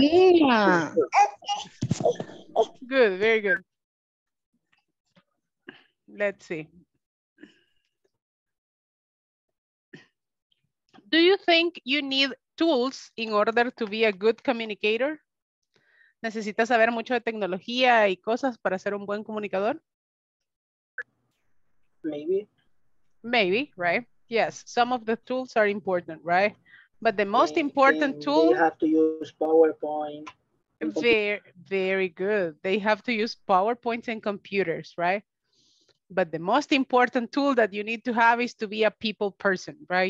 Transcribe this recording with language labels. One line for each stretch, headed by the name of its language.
English: Yeah. Good, very good. Let's see. Do you think you need tools in order to be a good communicator?
Spanish: ¿Necesitas saber mucho de tecnología y cosas para ser un buen comunicador?
English: Maybe, right? Yes, some of the tools are important, right? But the most important tool... They have to use PowerPoint. Very, very good. They have to use PowerPoint and computers, right? But the most important tool that you need to have is to be a people person, right?